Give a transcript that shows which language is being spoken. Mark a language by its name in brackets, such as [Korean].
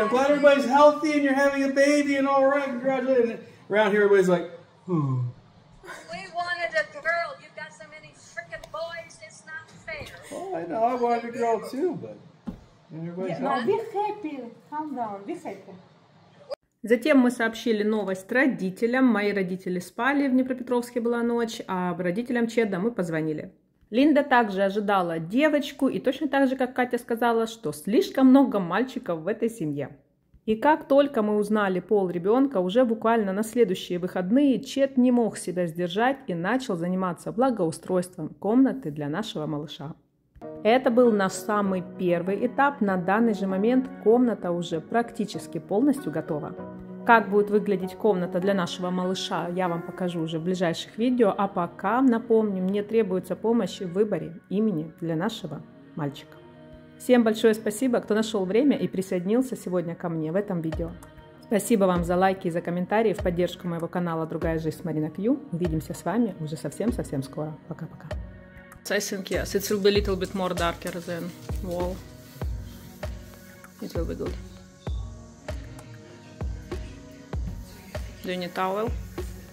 [English] I'm glad everybody's healthy and you're having a baby and all right. Congratulations. Around here, everybody's like, We wanted a girl. You've got so many freaking boys. It's not fair. Oh, I know. I wanted a girl too, but everybody's happy. Now be happy. Calm down. Be happy. [Russian] Затем мы сообщили новость родителям. Мои родители спали, в Днепропетровске была ночь, а родителям Чеда мы позвонили. Линда также ожидала девочку и точно так же, как Катя сказала, что слишком много мальчиков в этой семье. И как только мы узнали пол ребенка, уже буквально на следующие выходные Чет не мог себя сдержать и начал заниматься благоустройством комнаты для нашего малыша. Это был наш самый первый этап. На данный же момент комната уже практически полностью готова. Как будет выглядеть комната для нашего малыша, я вам покажу уже в ближайших видео. А пока, напомню, мне требуется помощь в выборе имени для нашего мальчика. Всем большое спасибо, кто нашел время и присоединился сегодня ко мне в этом видео. Спасибо вам за лайки и за комментарии в поддержку моего канала «Другая жизнь» с Марина Кью. Увидимся с вами уже совсем-совсем скоро. Пока-пока. [English] I think yes, it will be a little bit more darker than wall. It will be good. Do you need towel?